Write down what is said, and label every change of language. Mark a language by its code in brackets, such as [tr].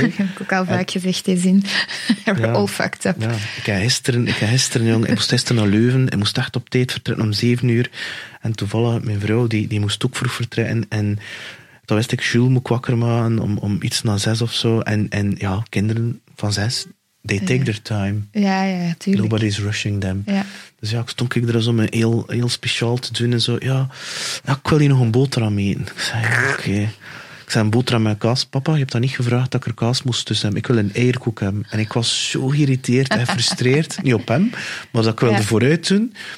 [nl] Ik heb ook al vaak gezegd in zin. [en] We're all fucked up. [nl] Ja. Ik moest gisteren naar Leuven. Ik moest echt op tijd vertrekken om 7:00. En toevallig, mijn vrouw, die moest ook vroeg vertrekken. En dan wist ik, Jules moet wakker maken om iets na 6 of zo. En ja, kinderen van 6, [en] they take their time. [nl] Ja, tuurlijk. [en] Nobody's rushing them. [nl] Ja. Dus ja, stond ik er zo mijn heel speciaal te doen en zo. Ja, ik wil hier nog een boterham eten. Ik zei, oké. Ik zei een boterham met kaas. Papa, je hebt dat niet gevraagd dat ik er kaas moest tussen hebben. Ik wil een eierkoek hebben. En ik was zo geïrriteerd en gefrustreerd. Niet op hem, maar dat ik wilde vooruit doen.